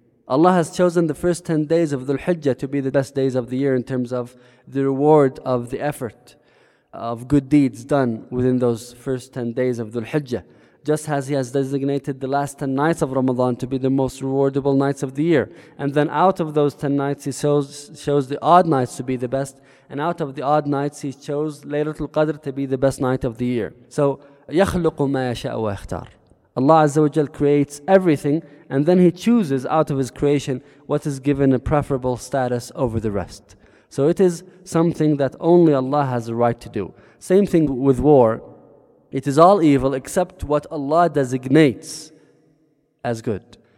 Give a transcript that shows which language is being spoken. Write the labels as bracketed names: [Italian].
[English] Allah has chosen the first 10 days of Dhul Hijjah to be the best days of the year in terms of the reward of the effort of good deeds done within those first 10 days of Dhul Hijjah. Just as He has designated the last 10 nights of Ramadan to be the most rewardable nights of the year. And then out of those 10 nights, He shows the odd nights to be the best. And out of the odd nights, He chose Laylatul Qadr to be the best night of the year. [Arabic] So, يَخْلُقُ مَا يَشَاءُ وَيَخْتَارُ. [English] Allah Azza wa Jal creates everything, and then He chooses out of His creation what is given a preferable status over the rest. So it is something that only Allah has the right to do. Same thing with war. It is all evil except what Allah designates as good.